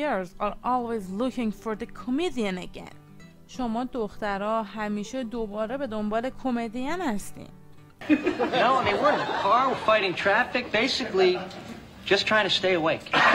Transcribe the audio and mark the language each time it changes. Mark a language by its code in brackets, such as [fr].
[en] You girls are always looking for the comedian again. [fa] شما دخترها همیشه دوباره به دنبال کمدین هستین. [en] No, I mean, we're in the car, we're fighting traffic, basically just trying to stay awake.